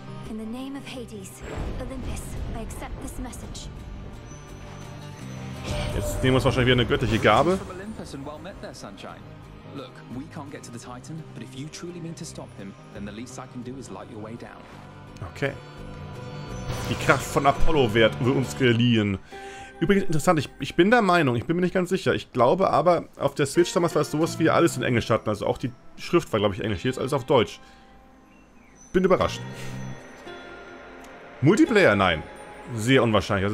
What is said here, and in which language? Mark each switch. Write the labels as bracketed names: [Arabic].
[English] In the name of Hades, Olympus, I accept this message. [German] Jetzt nehmen wir uns wahrscheinlich wieder eine göttliche Gabe. [English] Look, we can't get to the Titan, but if you truly mean to stop him, then the least I can do is light your way down. [German] Okay. Die Kraft von Apollo wird uns geliehen. Übrigens interessant, ich bin der Meinung, ich bin mir nicht ganz sicher. Ich glaube aber, auf der Switch damals war es sowas wie alles in Englisch hatten. Also auch die Schrift war, glaube ich, Englisch. Hier ist alles auf Deutsch. Bin überrascht. Multiplayer? Nein. Sehr unwahrscheinlich.